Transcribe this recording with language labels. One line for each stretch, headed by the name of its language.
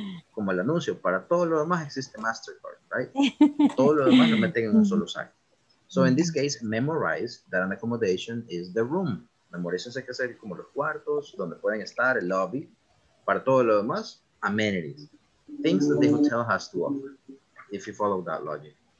Spanish: Como el anuncio, para todo lo demás existe MasterCard, right? Todo lo demás lo meten en un solo saco.
English: So in this case, memorize that an accommodation is the room.
Spanish: Memorícense que sería como los cuartos, donde pueden estar, el lobby. Para todo lo demás, amenities.
English: Things that the hotel has to offer, if you follow that logic.